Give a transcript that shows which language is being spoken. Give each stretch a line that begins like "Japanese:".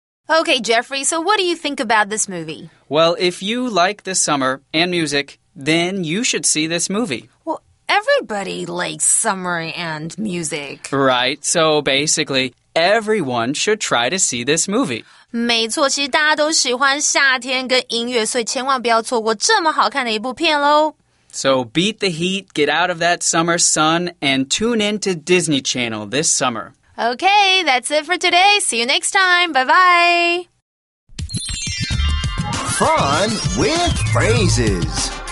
English: Okay, Jeffrey, so what do you think about this movie? Well, if you like the summer and music, then you should see this movie. Well,Everybody likes summer and music. Right, so basically, everyone should try to see this movie.
Chinese: 没错，其实大家都喜欢夏天跟音乐，所以千万不要错过这么好看的一部片咯。
English: So beat the heat, get out of that summer sun, and tune in to Disney Channel this summer. Okay, that's it for today. See you next time. Bye-bye. Fun with phrases.